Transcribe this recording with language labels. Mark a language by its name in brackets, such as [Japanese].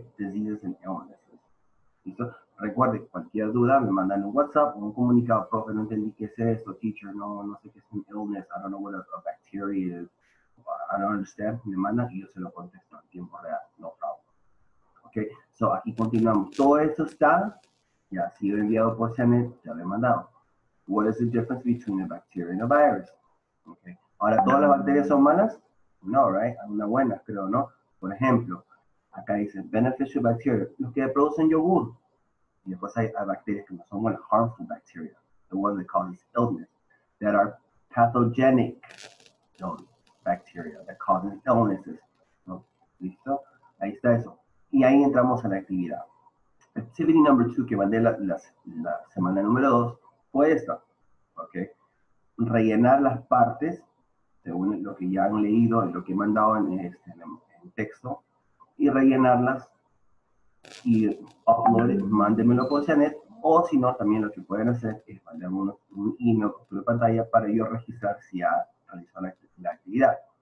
[Spanish] Diseases and illnesses. ¿Listo? Recuerde, cualquier duda, me mandan un WhatsApp o un comunicado, profe, no entendí qué es esto, teacher, no sé qué es un illness, [English] I don't know what a bacteria is, I don't understand, [Spanish] me mandan y yo se lo contesto en tiempo real, [English] no problem. [Spanish] Ok, so aquí continuamos, todo esto está, ya ha sido enviado por CNET, ya lo he mandado. [English] What is the difference between a bacteria and a virus? [Spanish] Ok, ahora, ¿todas las bacterias son malas? No, right, una buena, creo, ¿no? Por ejemplo, acá dice, [English] beneficial bacteria, [Spanish] los que producen yogur. Y después hay bacterias que no son buenas, [English] harmful bacteria, the one that causes illness, that are pathogenic illness, bacteria that causes illnesses. [Spanish] ¿No? ¿Listo? Ahí está eso. Y ahí entramos a la actividad. [English] Activity number two [Spanish] que mandé la semana número dos fue esta. ¿Okay? Rellenar las partes, según lo que ya han leído y lo que he mandado en texto, y rellenarlas y upload, mándenmelo por Janet, o si no, también lo que pueden hacer es mandarme un email por la pantalla para yo registrar si ha realizado la actividad.